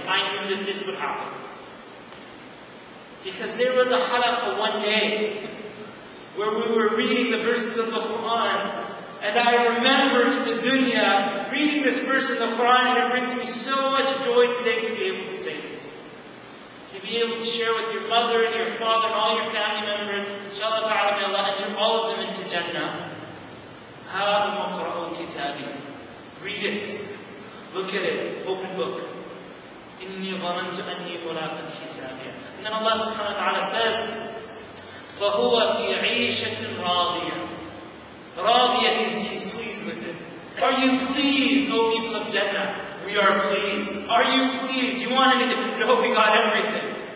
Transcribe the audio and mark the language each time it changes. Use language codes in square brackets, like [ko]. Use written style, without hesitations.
[en] I knew that this would happen. Because there was a halaqah one day where we were reading the verses of the Qur'an, and I remember in the dunya reading this verse in the Qur'an, and it brings me so much joy today to be able to say this. To be able to share with your mother and your father and all your family members, inshallah ta'ala, may Allah enter all of them into Jannah. [ar] هَاُمَ قُرْءُ كِتَابِي [en] Read it. Look at it. Open book. [ar] إِنِّي ظَنَنْتُ أَنِّي مُلَاقٍ حِسَابِيَ [en] And then Allah subhanahu wa ta'ala says, [ar] فَهُوَ فِي عِيشَةٍ رَاضِيَةٍ [en] Radiya is, he's pleased with it. Are you pleased, O people of Jannah? We are pleased. Are you pleased? Do you want anything? No, we got everything.